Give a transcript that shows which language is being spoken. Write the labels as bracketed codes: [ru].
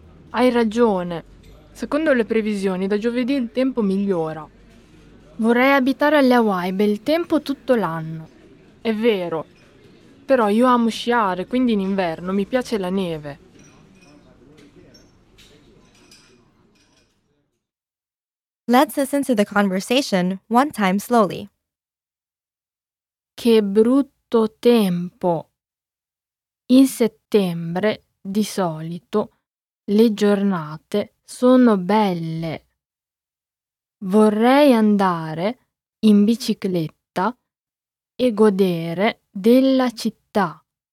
[it] Hai ragione. Secondo le previsioni, da giovedì il tempo migliora. Vorrei abitare alle Hawaii, bel tempo tutto l'anno. È vero. Però io amo sciare, quindi in inverno mi piace la neve. [en] Let's listen to the conversation one time slowly. [it] Che brutto tempo. In settembre, di solito, le giornate sono belle. Vorrei andare in bicicletta e godere della città.